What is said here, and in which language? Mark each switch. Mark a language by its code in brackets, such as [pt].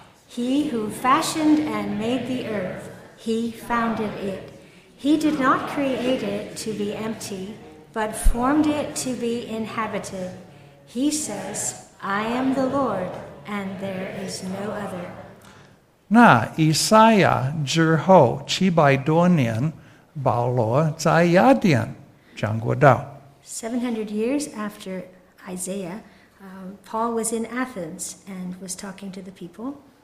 [en] He who fashioned and made the earth, he founded it. He did not create it to be empty, but formed it to be inhabited. He says, I am the Lord, and there is no other. [zh] 那以赛亚之后七百多年，保罗在雅典讲过道。 [en] 700 years after Isaiah, Paul was in Athens and was talking to the people.